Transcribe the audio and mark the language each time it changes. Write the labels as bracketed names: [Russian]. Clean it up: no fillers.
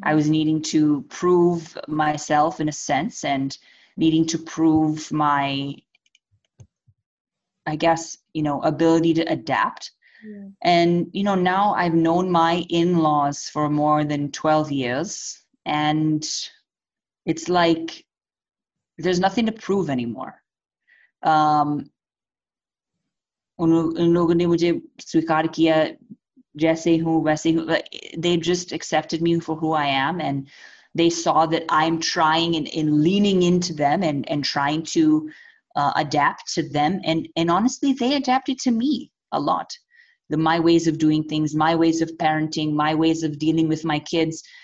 [English] I was needing to prove myself in a sense, and needing to prove my, I guess, you know, ability to adapt. Yeah. And, you know, now I've known my in-laws for more than 12 years, and it's like there's nothing to prove anymore. [Hindi] उन लोगों ने मुझे स्वीकार किया जैसे हूँ वैसे हूँ. [English] They just accepted me for who I am, and they saw that I'm trying and leaning into them and trying to adapt to them. And honestly, they adapted to me a lot. My ways of doing things, my ways of parenting, my ways of dealing with my kids.